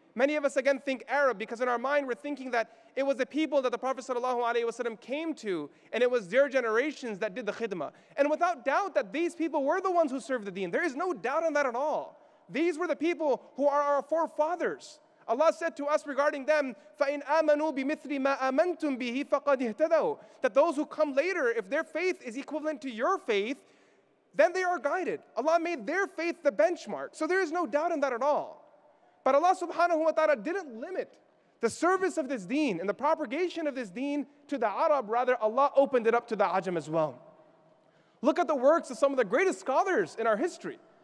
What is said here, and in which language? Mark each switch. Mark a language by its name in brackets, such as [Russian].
[English] Many of us again think Arab because in our mind we're thinking that it was the people that the Prophet sallallahu alaihi wasallam came to and it was their generations that did the khidmah. And without doubt that these people were the ones who served the deen. There is no doubt on that at all. These were the people who are our forefathers. Allah said to us regarding them, [Arabic] فَإِنْ آمَنُوا بِمِثْلِ مَا آمَنْتُمْ بِهِ فَقَدْ اِهْتَدَوْا. [English] That those who come later, if their faith is equivalent to your faith, then they are guided. Allah made their faith the benchmark. So there is no doubt in that at all. But Allah subhanahu wa ta'ala didn't limit the service of this deen and the propagation of this deen to the Arab. Rather, Allah opened it up to the Ajam as well. Look at the works of some of the greatest scholars in our history.